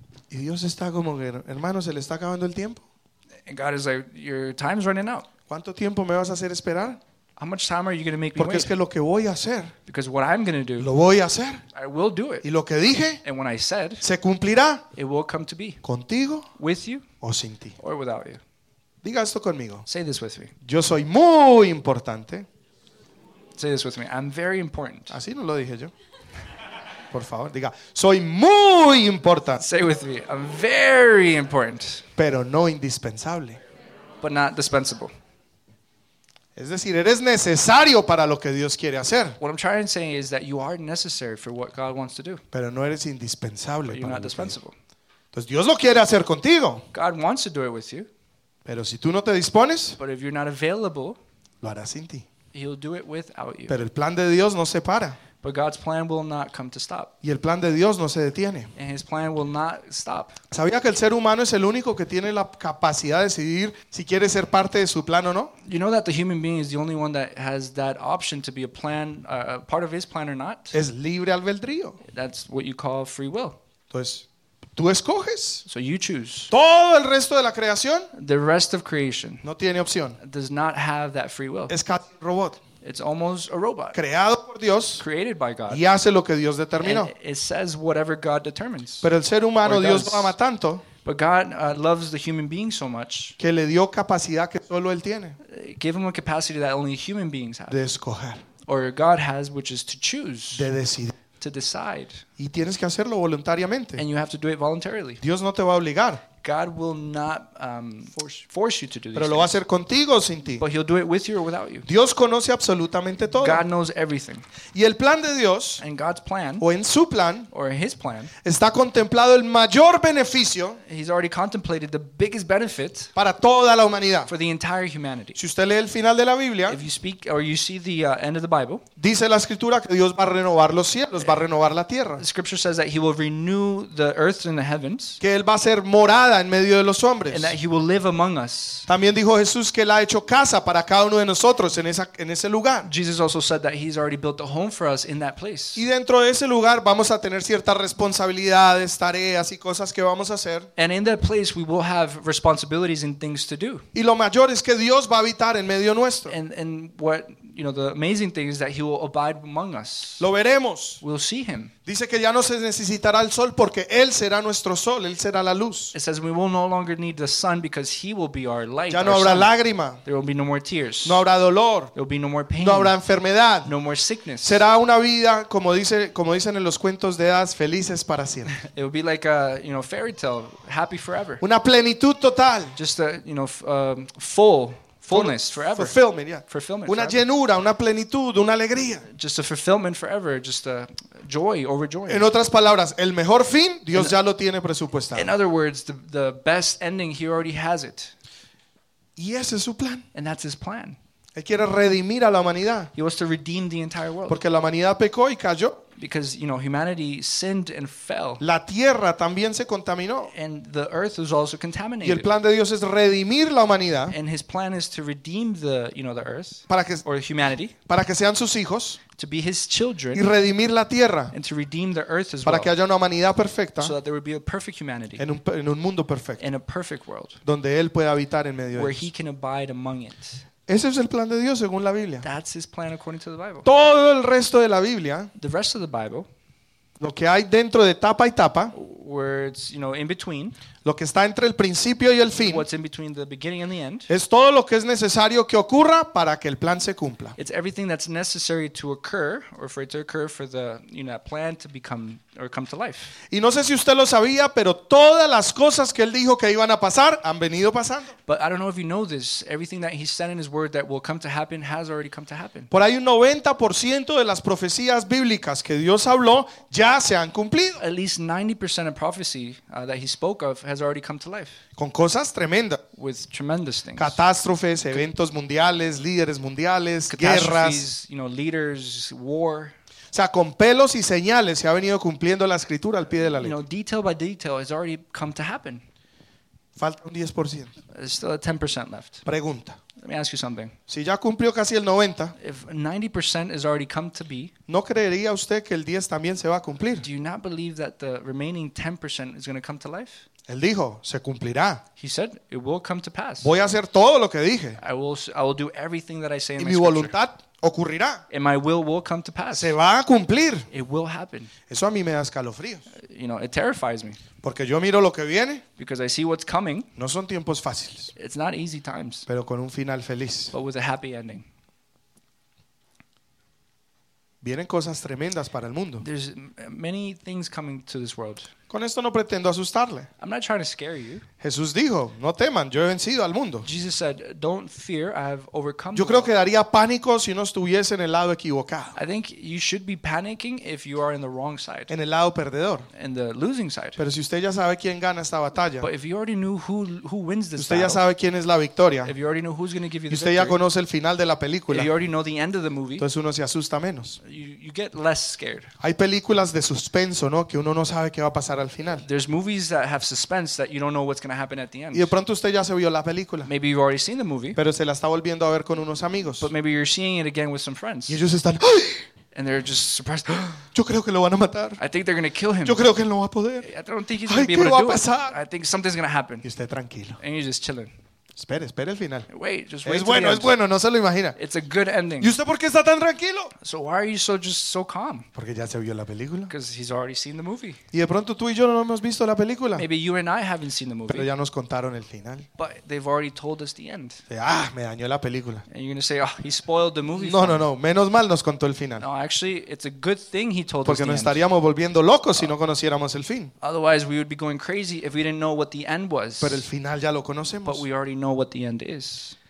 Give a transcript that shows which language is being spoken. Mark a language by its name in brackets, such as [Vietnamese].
[Spanish] Y Dios está como que, hermano, se le está acabando el tiempo. [English] And God is like, your time's running out. [Spanish] ¿Cuánto tiempo me vas a hacer esperar? [English] How much time are you going to make me [Spanish] Porque [English] wait? [Spanish] Es que lo que voy a hacer, [English] because what I'm going to do, [Spanish] lo voy a hacer. [English] I will do it. [Spanish] Y lo que dije, [English] and when I said, [Spanish] se cumplirá. [English] It will come to be. [Spanish] Contigo, [English] with you, [Spanish] o sin ti. [English] Or without you. [Spanish] Diga esto conmigo. [English] Say this with me. [Spanish] Yo soy muy importante. [English] Say this with me. I'm very important. [Spanish] Así no lo dije yo. Por favor, diga, soy muy importante. [English] Say with me, I'm very important. [Spanish] Pero no indispensable. [English] But not dispensable. [Spanish] Es decir, eres necesario para lo que Dios quiere hacer. [English] What I'm trying to say is that you are necessary for what God wants to do. [Spanish] Pero no eres indispensable. [English] But you're not dispensable. [Spanish] Entonces Dios lo quiere hacer contigo. [English] God wants to do it with you. [Spanish] Pero si tú no te dispones, [English] but if you're not available, [Spanish] lo hará sin ti. [English] He'll do it without you. [Spanish] Pero el plan de Dios no se para. [English] But God's plan will not come to stop. [Spanish] Y el plan de Dios no se detiene. [English] And his plan will not stop. [Spanish] ¿Sabía que el ser humano es el único que tiene la capacidad de decidir si quiere ser parte de su plan o no? [English] You know that the human being is the only one that has that option to be a plan, a part of his plan or not? [Spanish] Es libre albedrío. [English] That's what you call free will. [Spanish] Entonces, tú escoges. [English] So you choose. [Spanish] Todo el resto de la creación. [English] The rest of creation. [Spanish] No tiene opción. [English] Does not have that free will. [Spanish] Es casi un robot. [English] It's almost a robot. [Spanish] Creado por Dios. [English] Created by God. [Spanish] Y hace lo que Dios determinó. [English] And it says whatever God determines. [Spanish] Pero el ser humano, Dios lo ama tanto. [English] But God loves the human being so much. [Spanish] Que le dio capacidad que solo él tiene. [English] Give him a capacity that only human beings have. [Spanish] De escoger. [English] Or God has, which is to choose. [Spanish] De decidir. [English] To decide. [Spanish] Y tienes que hacerlo voluntariamente. [English] And you have to do it voluntarily. [Spanish] Dios no te va a obligar. [English] God will not force you to do these. [Spanish] Pero lo va a hacer contigo o sin ti. [English] But he'll do it with you or without you. [Spanish] Dios conoce absolutamente todo. [English] God knows everything. [Spanish] Y el plan de Dios, [English] and God's plan, [Spanish] o en su plan, [English] or in his plan, [Spanish] está contemplado el mayor beneficio. [English] He's already contemplated the biggest benefit [Spanish] para toda la humanidad. [English] For the entire humanity. [Spanish] Si usted lee el final de la Biblia, [English] if you speak or you see the end of the Bible, [Spanish] dice la escritura que Dios va a renovar los cielos, va a renovar la tierra. [English] The scripture says that he will renew the earth and the heavens. [Spanish] Que él va a ser morada en medio de los hombres. [English] And that he will live among us. [Spanish] También dijo Jesús que él ha hecho casa para cada uno de nosotros en ese lugar. [English] Jesus also said that he's already built a home for us in that place. [Spanish] Y dentro de ese lugar vamos a tener ciertas responsabilidades, tareas y cosas que vamos a hacer. [English] And in that place we will have responsibilities and things to do. [Spanish] Y lo mayor es que Dios va a habitar en medio nuestro. [English] And what you know, the amazing thing is that he will abide among us. [Spanish] Lo veremos. [English] We'll see him. [Spanish] Dice que ya no se necesitará el sol porque él será nuestro sol, él será la luz. [English] It says we will no longer need the sun because he will be our light. [Spanish] Ya no habrá lágrima. [English] There will be no more tears. [Spanish] No habrá dolor. [English] There will be no more pain. [Spanish] No habrá enfermedad. [English] No more sickness. [Spanish] Será una vida, como dicen en los cuentos de hadas, felices para siempre. [English] It will be like a, you know, fairy tale, happy forever. [Spanish] Una plenitud total. [English] Just a, you know, full. Fullness forever. Fulfillment, yeah. Fulfillment. [Spanish] Una [English] forever. [Spanish] Llenura, una plenitud, una alegría. [English] Just a fulfillment forever. Just a joy, overjoyed. [Spanish] En otras palabras, el mejor fin, Dios ya lo tiene presupuestado. [English] In other words, the best ending, he already has it. [Spanish] Y ese es su plan. [English] And that's his plan. [Spanish] Él quiere redimir a la humanidad. [English] He wants to redeem the entire world. [Spanish] Porque la humanidad pecó y cayó. [English] Because, you know, humanity sinned and fell. [Spanish] La tierra también se contaminó. [English] And the earth was also contaminated. [Spanish] Y el plan de Dios es redimir la humanidad. [English] And his plan is to redeem the, you know, the earth. [Spanish] Para que, [English] or humanity. [Spanish] Para que sean sus hijos. [English] To be his children. [Spanish] Y redimir la tierra. [English] And to redeem the earth as [Spanish] para [English] well. [Spanish] Para que haya una humanidad perfecta. [English] So that there would be a perfect humanity. [Spanish] En un mundo perfecto. [English] In a perfect world. [Spanish] Donde él pueda habitar en medio de [English] ellos. Where he can abide among it. [Spanish] Ese es el plan de Dios según la Biblia. [English] That's his plan according to the Bible. [Spanish] Todo el resto de la Biblia, [English] the rest of the Bible, [Spanish] lo que hay dentro de tapa y tapa, [English] where it's, you know, in between, [Spanish] lo que está entre el principio y el fin, [English] what's in between the beginning and the end, [Spanish] es todo lo que es necesario que ocurra para que el plan se cumpla. [English] It's everything that's necessary to occur or for it to occur for the, you know, plan to become or come to life. [Spanish] Y no sé si usted lo sabía, pero todas las cosas que él dijo que iban a pasar han venido pasando. [English] But I don't know if you know this, everything that he said in his word that will come to happen has already come to happen. [Spanish] Por ahí un 90% de las profecías bíblicas que Dios habló ya se han cumplido. [English] At least 90% of prophecy that he spoke of has already come to life. [Spanish] Con cosas tremendas. [English] With tremendous things. [Spanish] Catástrofes, eventos mundiales, líderes mundiales, guerras, [English] you know, leaders, war. [Spanish] O sea, con pelos y señales se ha venido cumpliendo la escritura al pie de la ley. [English] You know, detail by detail has already come to happen. [Spanish] Falta un 10%. [English] There's still a 10% left. [Spanish] Pregunta. [English] Let me ask you something. [Spanish] Si ya cumplió casi el 90, [English] if 90% has already come to be, [Spanish] ¿no creería usted que el 10 también se va a cumplir? [English] Do you not believe that the remaining 10% is going to come to life? [Spanish] Él dijo, se cumplirá. [English] He said, it will come to pass. [Spanish] Voy a hacer todo lo que dije. [English] I will do everything that I say in [Spanish] my voluntad ocurrirá. [English] And my will come to pass. [Spanish] Se va a cumplir. [English] It will happen. [Spanish] Eso a mí me da escalofríos. [English] You know, it terrifies me. [Spanish] Porque yo miro lo que viene. [English] Because I see what's coming. [Spanish] No son tiempos fáciles. [English] It's not easy times. [Spanish] Pero con un final feliz. [English] But with a happy ending. [Spanish] Vienen cosas tremendas para el mundo. [English] There's many things coming to this world. [Spanish] Con esto no pretendo asustarle. [English] I'm not trying to scare you. [Spanish] Jesús dijo, no teman, yo he vencido al mundo. [English] Jesus said, don't fear, I have overcome. [Spanish] Yo creo que daría pánico si no estuviese en el lado equivocado. [English] I think you should be panicking if you are in the wrong side. [Spanish] En el lado perdedor. [English] In the losing side. [Spanish] Pero si usted ya sabe quién gana esta batalla. [English] But if you already knew who wins this battle. [Spanish] Usted ya sabe quién es la victoria. [English] If you already know who's going to give you the victory. [Spanish] Usted ya conoce el final de la película. [English] If you already know the end of the movie. [Spanish] Entonces uno se asusta menos. [English] You get less scared. [Spanish] Hay películas de suspenso, ¿no? Que uno no sabe qué va a pasar al final. [English] There's movies that have suspense that you don't know what's going to happen at the end. [Spanish] Y de pronto usted ya se vio la película. [English] Maybe you've already seen the movie. [Spanish] Pero se la está volviendo a ver con unos amigos. [English] But maybe you're seeing it again with some friends. [Spanish] Y ellos están. [English] And they're just surprised. [Spanish] Yo creo que lo van a matar. [English] I think they're going to kill him. [Spanish] Yo creo que él no va a poder. [English] I don't think he's going to be able to do [Spanish] pasar? [English] It. I think something's going to happen. [Spanish] Y usted tranquilo. [English] And you're just chilling. [Spanish] Espere, espere el final. [English] Wait, just wait. [Spanish] Es bueno, es bueno, no se lo imagina. [English] It's a good ending. [Spanish] ¿Y usted por qué está tan tranquilo? [English] So why are you so just so calm? [Spanish] Porque ya se vio la película. [English] Because he's already seen the movie. [Spanish] Y de pronto tú y yo no hemos visto la película. [English] Maybe you and I haven't seen the movie. [Spanish] Pero ya nos contaron el final. [English] But they've already told us the end. [Spanish] Ah, me dañó la película. [English] And you're gonna say, oh, he spoiled the movie. [Spanish] No, no, no. Menos mal nos contó el final. [English] No, actually, it's a good thing he told us. [Spanish] Porque nos estaríamos volviendo locos si no conociéramos el fin. [English] Otherwise, we would be going crazy if we didn't know what the end was. [Spanish] Pero el final ya lo conocemos. [English] But we already know what the end is.